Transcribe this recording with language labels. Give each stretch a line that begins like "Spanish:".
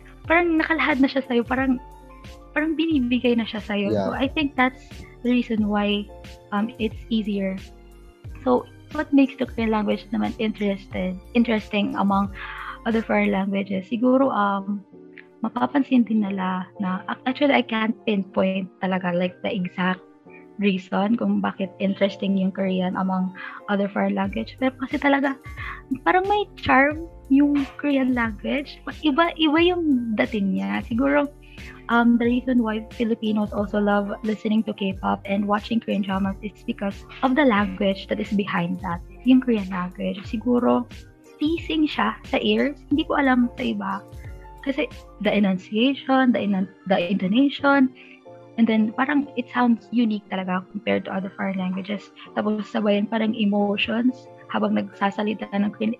Filipino: Parang nakalahad na siya sa'yo. Parang binibigay na siya sa'yo.
English: Yeah. So, I think that's the reason why it's easier. So, what makes the Korean language
Filipino: naman
English: interesting among other foreign languages?
Filipino: Siguro, mapapansin din nila na
English: actually I can't pinpoint talaga like the exact reason
Filipino: kung bakit interesting yung
English: Korean among other foreign language,
Filipino: pero kasi talaga parang may charm yung
English: Korean language.
Filipino: Iba yung dating niya.
English: Siguro the reason why Filipinos also love listening to K-pop and watching Korean dramas is because of the language that is behind that,
Filipino: yung Korean language. Siguro teasing siya sa ears, hindi ko alam sa iba.
English: Kasi the enunciation, the intonation, and then parang it sounds unique talaga compared to other foreign languages.
Filipino: Tapos sabayan parang emotions, habang nagsasalita ng Queen.